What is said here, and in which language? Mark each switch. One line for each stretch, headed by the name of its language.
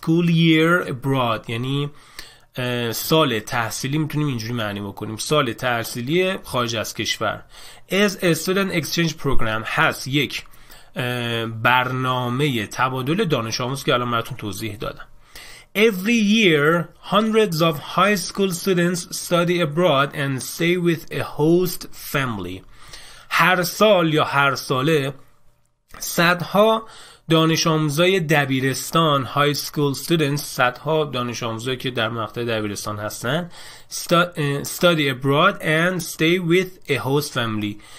English: school year abroad
Persian: یعنی سال تحصیلی، میتونیم اینجوری معنی بکنیم، سال تحصیلی خارج از کشور.
English: as a student exchange program
Persian: هست یک برنامه تبادل دانش آموز که الان براتون توضیح دادم.
English: Every year hundreds of high school students study abroad and stay with a host family.
Persian: هر سال یا هر ساله صدها دانش آموزای دبیرستان،
English: high school students،
Persian: صدها دانش آموزایی که در مقطع دبیرستان هستن،
English: study abroad and stay with a host family.